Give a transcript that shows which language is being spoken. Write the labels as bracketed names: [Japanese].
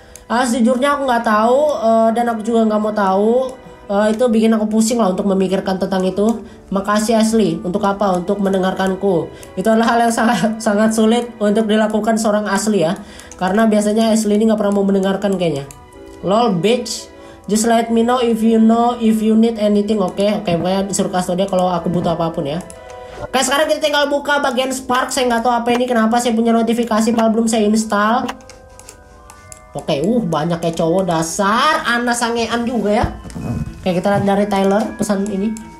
[Indonesian] Sejujurnya aku gak tahu dan aku juga gak mau tahu. Itu bikin aku pusing lah untuk memikirkan tentang itu. Makasih Ashley, untuk apa? Untuk mendengarkanku. Itu adalah hal yang sangat sulit untuk dilakukan seorang Ashley ya. Karena biasanya Ashley ini gak pernah mau mendengarkan kayaknya. [English] Lol bitch. Just let me know if you need anything, oke? Okay? [Indonesian] Oke, okay, pokoknya suruh kasih tau dia kalau aku butuh apapun ya. Oke, okay, sekarang kita tinggal buka bagian Spark. Saya nggak tahu apa ini, kenapa saya punya notifikasi, padahal belum saya install. Oke, okay, banyak kayak cowok dasar. Anak sangean juga ya. Oke, okay, kita lihat dari Tyler pesan ini.